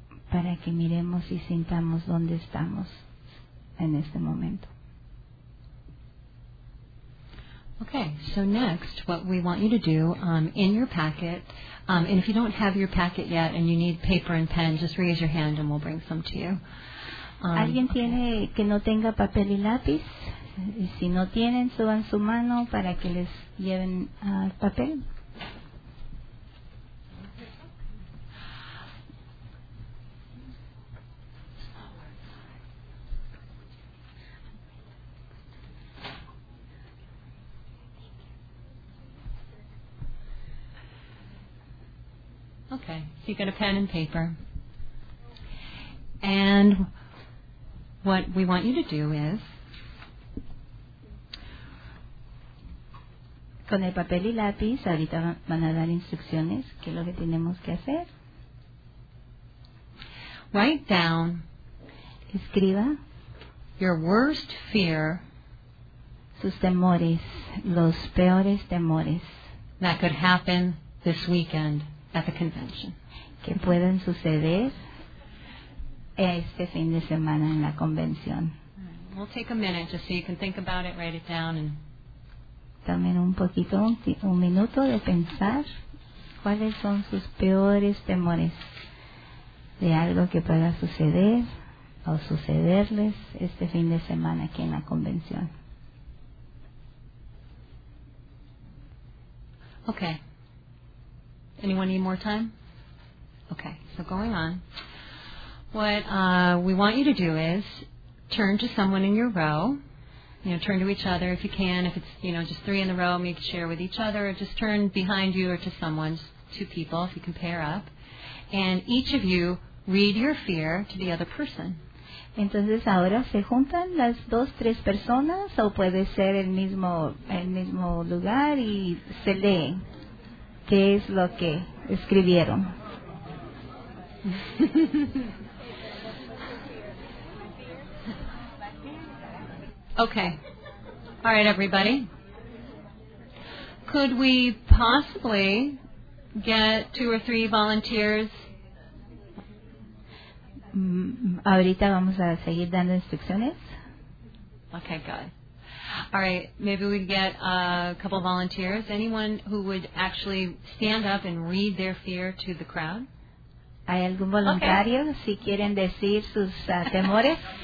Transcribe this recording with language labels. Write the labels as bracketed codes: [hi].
[es] Para que miremos y sintamos dónde estamos en este momento. [en] Okay, so next, what we want you to do in your packet, and if you don't have your packet yet and you need paper and pen, just raise your hand and we'll bring some to you. [es] ¿Alguien tiene que no tenga papel y lápiz? Y si no tienen, suban su mano para que les lleven papel. [en] Okay, so you got a pen and paper. And what we want you to do is, [es] con el papel y lápiz, ahorita van a dar instrucciones, qué es lo que tenemos que hacer. [en] Write down, [es] escriba, [en] your worst fear, [es] sus temores, los peores temores, [en] that could happen this weekend. At the convention. [es] Que pueden suceder este fin de semana en la convención. [en] We'll take a minute just so you can think about it, write it down. And [es] también un poquito, un minuto de pensar cuáles son sus peores temores de algo que pueda suceder o sucederles este fin de semana aquí en la convención. [en] Okay. Anyone need more time? Okay, so going on. What we want you to do is turn to someone in your row. You know, turn to each other if you can. If it's, you know, just 3 in the row, maybe share with each other. Or just turn behind you or to someone, just 2 people if you can pair up. And each of you read your fear to the other person. [es] Entonces ahora se juntan las 2-3 personas o puede ser el mismo lugar y se lee. ¿Qué es lo que escribieron? [en] Okay. All right, everybody. Could we possibly get 2 or 3 volunteers? [es] Ahorita vamos a seguir dando instrucciones. [en] Okay, good. All right, maybe we can get a couple of volunteers. Anyone who would actually stand up and read their fear to the crowd? [es] ¿Hay algún voluntario si quieren decir sus temores?